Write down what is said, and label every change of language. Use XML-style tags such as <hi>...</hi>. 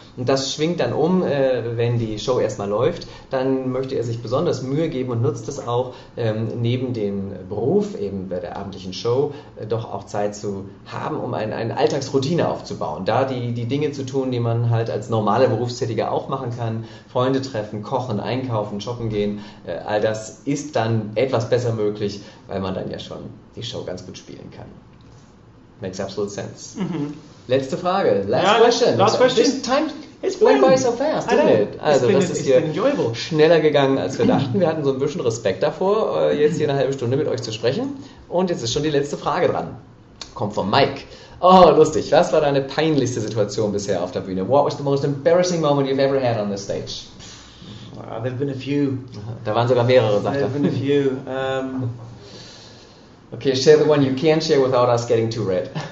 <de>Und das schwingt dann um, wenn die Show erstmal läuft. Dann möchte er sich besonders Mühe geben und nutzt es auch, neben dem Beruf, eben bei der abendlichen Show, doch auch Zeit zu haben, um eine Alltagsroutine aufzubauen. Da die Dinge zu tun, die man halt als normaler Berufstätiger auch machen kann. Freunde treffen, kochen, einkaufen, shoppen gehen. All das ist dann etwas besser möglich, weil man dann ja schon die Show ganz gut spielen kann.</de> <en>Makes absolute sense. Mm-hmm.</en> <de>Letzte Frage.</de> <en>Last question. Last question. This time went by so fast, didn't it?</en> <de>Also das ist hier schneller gegangen, als wir dachten. Wir hatten so ein bisschen Respekt davor, jetzt hier eine halbe Stunde mit euch zu sprechen. Und jetzt ist schon die letzte Frage dran. Kommt von Mike. Oh, lustig. Was war deine peinlichste Situation bisher auf der Bühne?</de> <en>What was the most embarrassing moment you've ever had on the stage? There have been a few.</en> <de>Da waren sogar mehrere, sagt er.</de> <en>There have been a few. Okay, share the one you can share without us getting too red.</en>